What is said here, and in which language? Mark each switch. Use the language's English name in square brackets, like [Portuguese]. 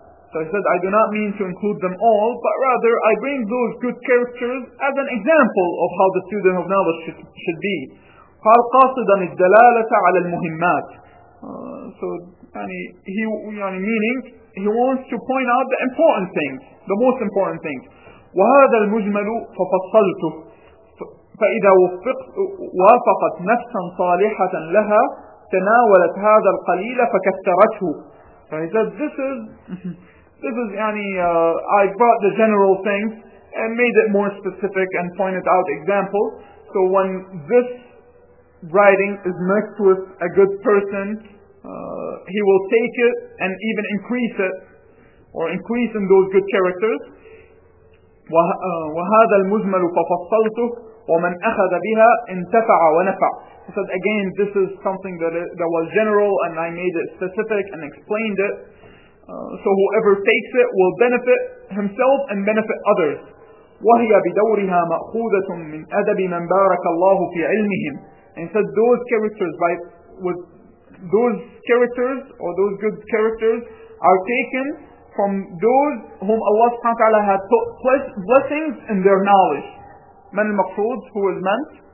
[English] So he said, I do not mean to include them all, but rather I bring those good characters as an example of how the student of knowledge should be. [Arabic] قال قاصدا الدلالة على المهمات. [English] So يعني he يعني meaning he wants to point out the important things, the most important things. [Arabic] وهذا المجمل ففصلته فإذا وافقت نفسا صالحة لها تناولت هذا القليل فكثرته. [English] So he said this is يعني I brought the general things and made it more specific and pointed out examples. So when this writing is mixed with a good person, he will take it and even increase it, or increase in those good characters. [Arabic] وهذا المجمل ففصلته ومن أخذ بها انتفع ونفع. [English] He said again, this is something that was general and I made it specific and explained it. So whoever takes it will benefit himself and benefit others. [Arabic] وهي بدورها مأخوذة من أدب من بارك الله في علمهم. [English] And he said those characters with those characters or those good characters are taken from those whom Allah subhanahu wa ta'ala had put blessings in their knowledge. [Arabic] من المقصود, [English] who is meant?